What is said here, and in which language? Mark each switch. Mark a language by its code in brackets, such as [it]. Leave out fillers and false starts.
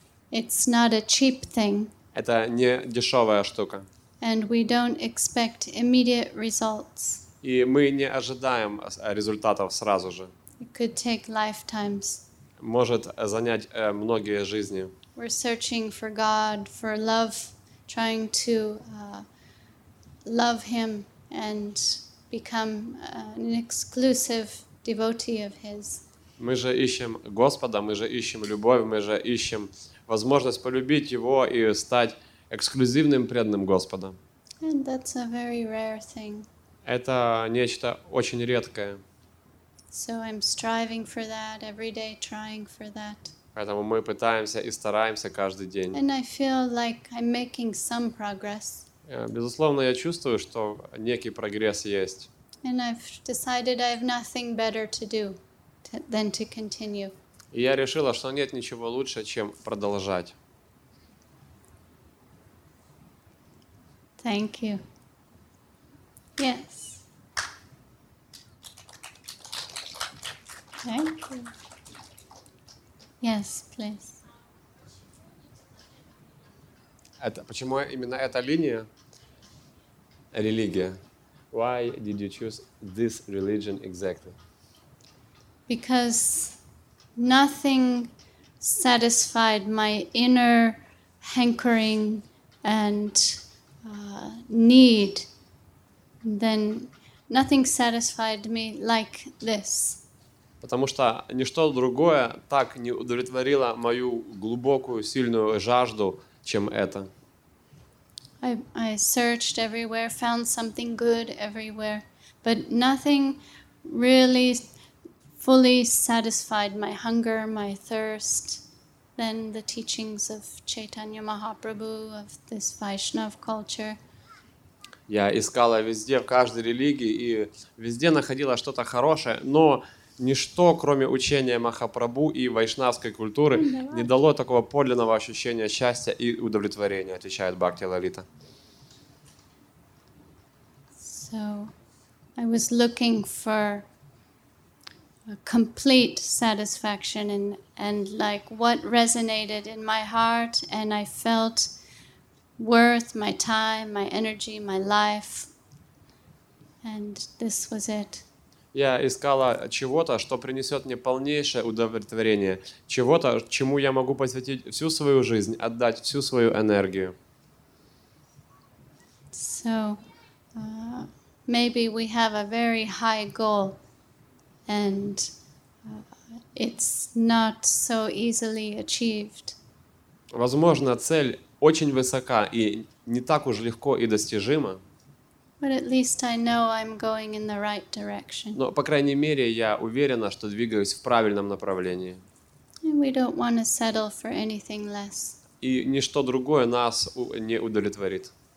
[en] It's not a cheap thing. [ru] Это не дешевая штука. [en] And we don't expect immediate results. [ru] И мы не ожидаем результатов сразу же. [en] It could take lifetimes. [ru] Может занять многие жизни. [en] We're searching for God, for love, trying to love him and become an exclusive devotee of his. [ru] Мы же ищем Господа, мы же ищем любовь, мы же ищем возможность полюбить его и стать эксклюзивным преданным Господа. [en] And that's a very rare thing. [ru] Это нечто очень редкое. [en] So I'm striving for that every day, trying for that. [ru] Поэтому мы пытаемся и стараемся каждый день. [en] And I feel like I'm making some progress. [ru] Безусловно, я чувствую, что некий прогресс есть. [en] And I've decided I have nothing better to do than to continue. [ru] И я решила, что нет ничего лучше, чем продолжать. [en] Thank you. Yes. Thank you. Yes, please. [ru] Это почему именно эта линия? Религия. [en] Why did you choose this religion exactly? Because nothing satisfied my inner hankering and need than nothing satisfied me like this. [ru] Потому что ничто другое так не удовлетворило мою глубокую, сильную жажду, чем это. [en] I searched everywhere, found something good everywhere, but nothing really fully satisfied my hunger, my thirst. than the teachings of Chaitanya Mahaprabhu, of this Vaishnava culture. [ru] Я искала везде, в каждой религии, и везде находила что-то хорошее, но ничто, кроме учения Махапрабху и вайшнавской культуры, не дало такого подлинного ощущения счастья и удовлетворения, отвечает Бхакти Лалита. [en] So, I was looking for a complete satisfaction and like what resonated in my heart, and I felt worth my time, my energy, my life, and this was it. [ru] Я искала чего-то, что принесет мне полнейшее удовлетворение, чего-то, чему я могу посвятить всю свою жизнь, отдать всю свою энергию. [en] So, maybe we have a very high goal, and it's not so easily achieved. [ru] Возможно, цель очень высока и не так уж легко и достижима. [en] But at least I know I'm going in the right direction. [ru] Но, по крайней мере, я уверена, что двигаюсь в правильном направлении. [en] And we don't want to settle for anything less. [ru] И ничто другое нас не удовлетворит.